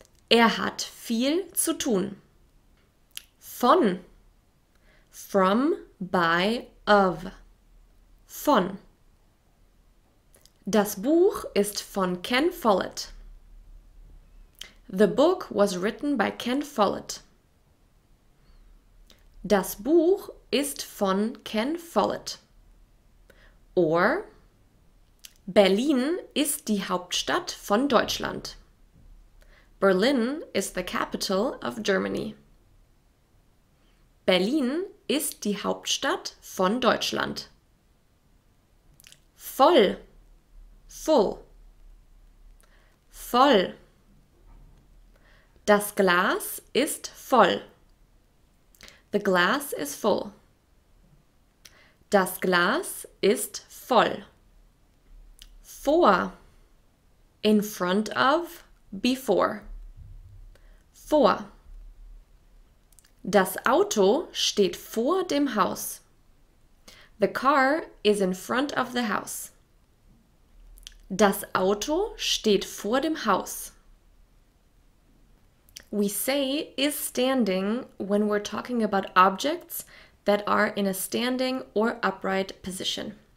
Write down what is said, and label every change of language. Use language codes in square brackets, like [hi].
[de] Er hat viel zu tun. Von. [en] From, by, of. [de] Von. Das Buch ist von Ken Follett. [en] The book was written by Ken Follett. [de] Das Buch ist von Ken Follett. Or Berlin ist die Hauptstadt von Deutschland. [en] Berlin is the capital of Germany. [de] Berlin ist die Hauptstadt von Deutschland. Voll. [en] Full. [de] Voll. Das Glas ist voll. [en] The glass is full. [de] Das Glas ist voll. Vor. [en] In front of, before. [de] Vor. Das Auto steht vor dem Haus. [en] The car is in front of the house. [de] Das Auto steht vor dem Haus. [en] We say is standing when we're talking about objects that are in a standing or upright position.